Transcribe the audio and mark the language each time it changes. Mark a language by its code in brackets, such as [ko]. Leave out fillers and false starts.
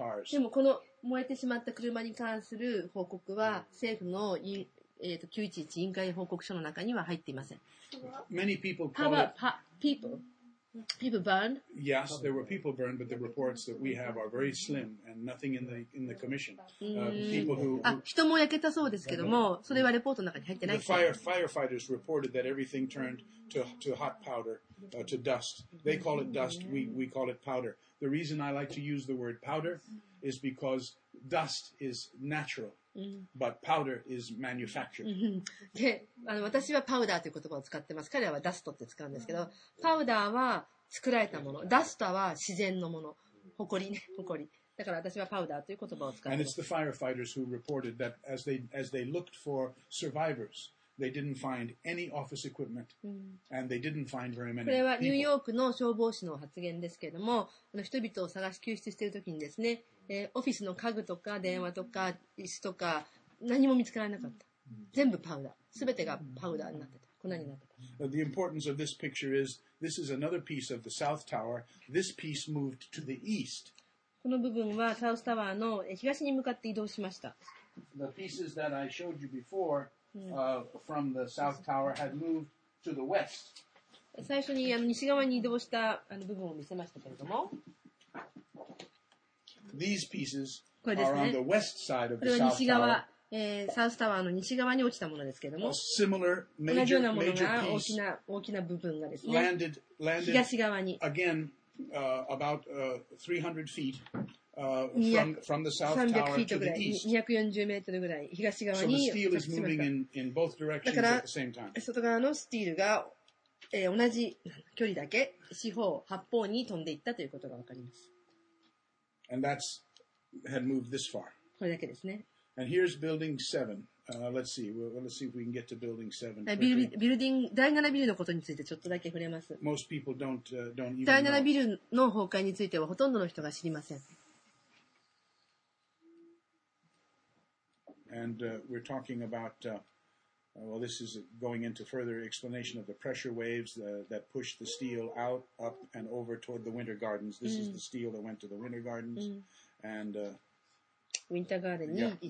[ja] でもこの燃えてしまった車に関する報告は政府の911委員会報告書の中には入っていません。 [en] Many people call it people burned. Yes, there were people burned, but the reports that we have are very slim and nothing in the commission. People who [ja] 人も焼けたそうですけども、それはレポートの中に入ってないですね。 [en] Firefighters reported that everything turned to hot powder, to dust. They call it dust. We call it powder. The reason I like to use the word powder is because dust is natural, but powder is manufactured. [ja] で、私はパウダーという言葉を使ってます。彼らはダストって使うんですけど、パウダーは作られたもの、ダストは自然のもの、ホコリね、ホコリ。だから私はパウダーという言葉を使って。 [en] And it's the firefighters who reported that as they looked for survivors, they didn't find any office equipment, and they didn't find very many people. [ja] これはニューヨークの消防士の発言ですけれども、人々を探し救出しているときにですね、オフィスの家具とか電話とか椅子とか何も見つからなかった。全部パウダー、すべてがパウダーになってた。 [en] The importance of this picture is this is another piece of the South Tower. This piece moved to the east. [ja] この部分はサウスタワーの東に向かって移動しました。 [en] The pieces that I showed you before, from the South Tower had moved to the west. [ja] 最初に西側に移動した部分を見せましたけれども。 [en] These pieces are on the west side of the South Tower. [ja] これは西側。サウスタワーの西側に落ちたものですけれども、 [en] similar major, [ja] 同じようなものが大きな、大きな部分がですね、 [en] landed, landed [ja] 東側に。 [en] Again, about 300 feet, from the south tower to the east. [ja] 240メートルぐらい東側に落ちました。 [en] So the steel is moving in both directions at the same time. [ja] 外側のスティールが、同じ距離だけ四方八方に飛んでいったということがわかります。 [en] And that's had moved this far. [ja] これだけですね。 [en] And here's building seven. Let's see. Let's see if we can get to building seven. [ja] Building 第七ビルのことについてちょっとだけ触れます。 [en] Most people don't even [ja] 第七ビルの崩壊についてはほとんどの人が知りません。 [en] And we're talking about well, this is going into further explanation of the pressure waves that pushed the steel out up and over toward the winter gardens. This is the steel that went to the winter gardens and [ja] Winter Garden に行った。